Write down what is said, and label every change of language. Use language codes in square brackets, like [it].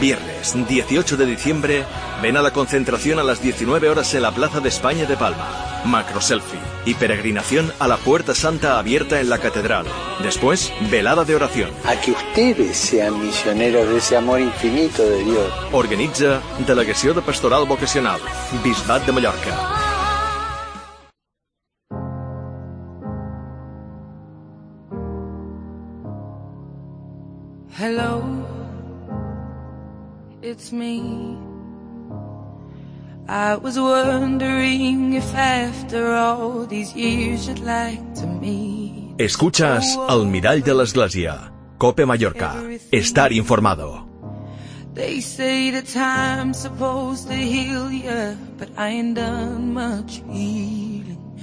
[es] Viernes 18 de diciembre, ven a la concentración a las 19 horas en la Plaza de España de Palma. Macro selfie y peregrinación a la Puerta Santa abierta en la Catedral. Después, velada de oración. A que ustedes sean misioneros de ese amor infinito de Dios. [ca] Organitza Delegació de Pastoral Vocacional, Bisbat de Mallorca. [en] Hello, it's me. I was wondering if after all these years you'd like to meet. [es] Escuchas El Mirall de l'Església, COPE Mallorca. Estar informado. [en] They say that time's supposed to heal you, but I ain't done much healing.